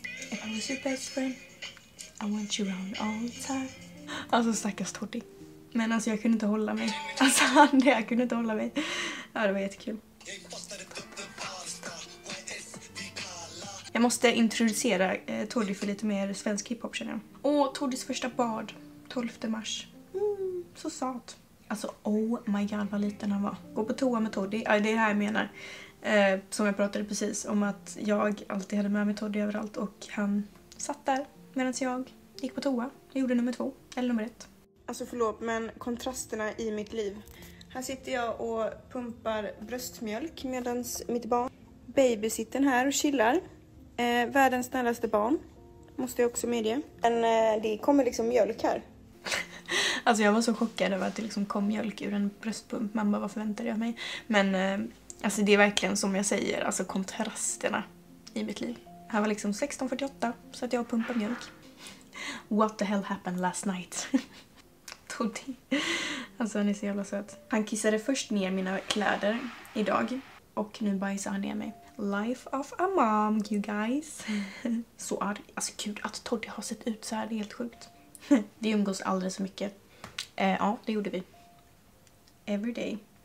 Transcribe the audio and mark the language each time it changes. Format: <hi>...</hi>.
<en>If I was your best friend, I want you around all the time.</en> <sv>Alltså stackars Toddy. Men alltså jag kunde inte hålla mig. Alltså nej, jag kunde inte hålla mig. Ja, det var jättekul. Jag måste introducera Toddy för lite mer svensk hiphop, känner jag. Åh, Toddys första bad, 12 mars. Mm, så satt. Alltså,</sv> <en>oh my god,</en> <sv>vad liten han var. Gå på toa med Toddy. Ja, det är det här jag menar. Som jag pratade precis om, att jag alltid hade med mig Toddy överallt. Och han satt där medan jag gick på toa. Jag gjorde nummer 2, eller nummer 1. Alltså förlåt, men kontrasterna i mitt liv. Här sitter jag och pumpar bröstmjölk medan mitt barn. Babysitten här och chillar. Världens snällaste barn. Måste jag också medge. Men det kommer liksom mjölk här. Alltså jag var så chockad över att det liksom kom mjölk ur en bröstpump. Mamma, vad förväntade jag mig? Men alltså det är verkligen som jag säger. Alltså kontrasterna i mitt liv. Här var liksom 16:48 så att jag pumpade mjölk.</sv> <en>What the hell happened last night?</en> <sv>Toddy. Alltså han är så jävla söt. Han kissade först ner mina kläder idag. Och nu bajsar han ner mig.</sv> <en>Life of a mom, you guys.</en> <sv>Så är det. Alltså gud, att Toddy har sett ut så här, det är helt sjukt. Vi umgås alldeles för mycket. Ja, det gjorde vi.</sv> <en>Every day.</en>